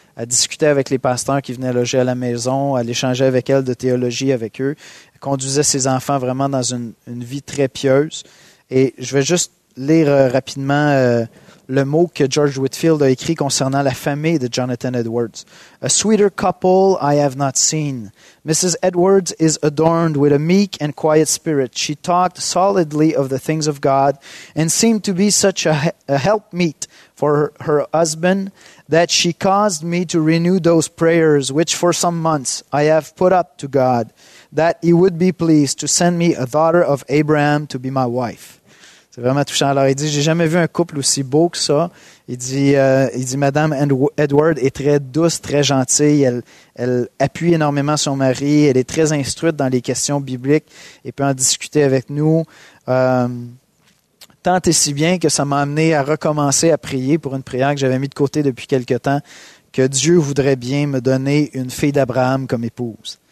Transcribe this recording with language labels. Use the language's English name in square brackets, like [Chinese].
[French] Elle discutait avec les pasteurs qui venaient loger à la maison. Elle échangeait avec elle de théologie avec eux. Elle conduisait ses enfants vraiment dans une vie très pieuse. Et je vais juste lire rapidement le mot que George Whitefield a écrit concernant la famille de Jonathan Edwards. [English] « A sweeter couple I have not seen. Mrs. Edwards is adorned with a meek and quiet spirit. She talked solidly of the things of God and seemed to be such a helpmeet for her husband that she caused me to renew those prayers which for some months I have put up to God, that he would be pleased to send me a daughter of Abraham to be my wife. » [French] C'est vraiment touchant. Alors, il dit, j'ai jamais vu un couple aussi beau que ça. Il dit, Madame Edward est très douce, très gentille. Elle appuie énormément son mari. Elle est très instruite dans les questions bibliques et peut en discuter avec nous. Tant et si bien que ça m'a amené à recommencer à prier pour une prière que j'avais mis de côté depuis quelque temps, que Dieu voudrait bien me donner une fille d'Abraham comme épouse.